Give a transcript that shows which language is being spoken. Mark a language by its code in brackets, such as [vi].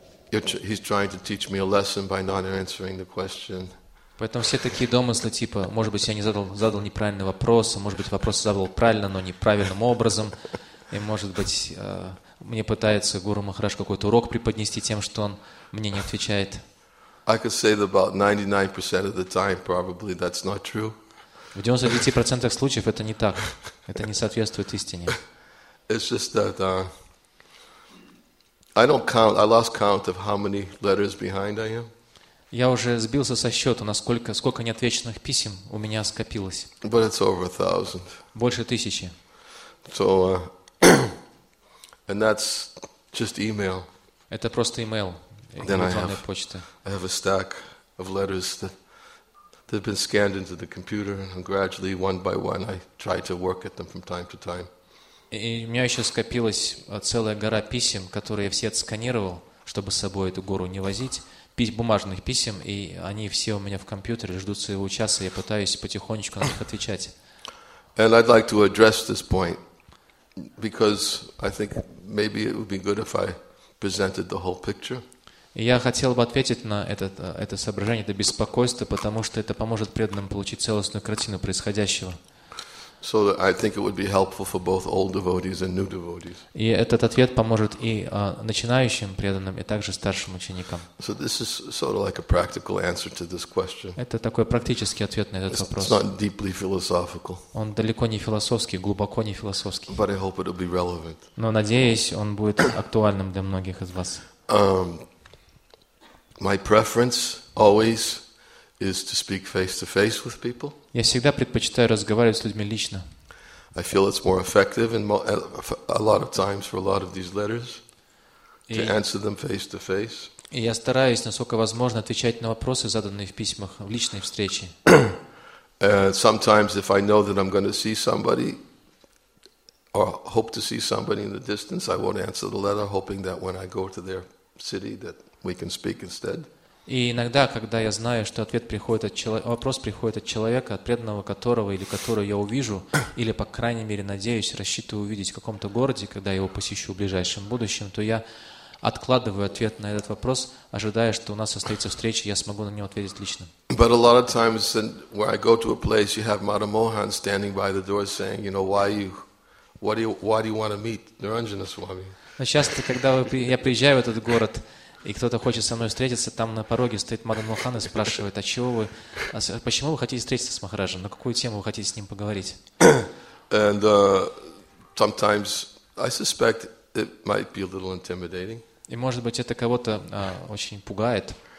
[en] He's trying to teach me a lesson by not answering the question. [ru] Поэтому все такие домыслы типа, может быть, я не задал неправильный вопрос, а может быть, вопрос задал правильно, но неправильным образом, и может быть, мне пытается Гуру Махарадж какой-то урок преподнести тем, что он мне не отвечает. [en] I could say that about 99% of the time probably that's not true. [ru] В 99% случаев это не так. Это не соответствует истине. [en] It's just that I don't count. I lost count of how many letters behind I am. [ru] Я уже сбился со счета, сколько неотвеченных писем у меня скопилось. [en] But it's over 1,000. [ru] Больше тысячи. [en] So, and that's just email. [ru] Это просто email. [en] Then I have a stack of letters that have been scanned into the computer, and gradually, one by one, I try to work at them from time to time. [ru] И у меня еще скопилась целая гора писем, которые я все отсканировал, чтобы с собой эту гору не возить, бумажных писем, и они все у меня в компьютере ждут своего часа, я пытаюсь потихонечку на них отвечать. [en] And I'd like to address this point, because I think maybe it would be good if I presented the whole picture. [ru] И я хотел бы ответить на это соображение, это беспокойство, потому что это поможет преданным получить целостную картину происходящего. [en] So that I think it would be helpful for both old devotees and new devotees. [ru] И этот ответ поможет и начинающим преданным, и также старшим ученикам. [en] So this is sort of like a practical answer to this question. [ru] Это такой практический ответ на этот вопрос. [en] It's not deeply philosophical. [ru] Он далеко не философский, глубоко не философский. [en] But I hope it'll be relevant. [ru] Но надеюсь, он будет актуальным для многих из вас. [en] My preference always is to speak face to face with people. [ru] Я всегда предпочитаю разговаривать с людьми лично. [en] I feel it's more effective in a lot of times for a lot of these letters to answer them face to face. [ru] И я стараюсь насколько возможно отвечать на вопросы, заданные в письмах, в личной встрече. [en] Sometimes if I know that I'm going to see somebody or hope to see somebody in the distance, I won't answer the letter, hoping that when I go to their city that we can speak instead. [ru] И иногда, когда я знаю, что вопрос приходит от человека, от преданного которого или которую я увижу, или, по крайней мере, надеюсь, рассчитываю увидеть в каком-то городе, когда я его посещу в ближайшем будущем, то я откладываю ответ на этот вопрос, ожидая, что у нас состоится встреча, я смогу на него ответить лично. [en] But a lot of times where I go to a place, you have Madam Mohan standing by the door saying, you know, why do you want to meet Niranjana Swami? [ru] Но часто, когда я приезжаю в этот город, и кто-то хочет со мной встретиться, там на пороге стоит Мадам Мохан и спрашивает, а чего вы, почему вы хотите встретиться с Махараджем? На какую тему вы хотите с ним поговорить? [en] And sometimes I suspect it might be a little intimidating. [ru] И может быть это кого-то очень пугает.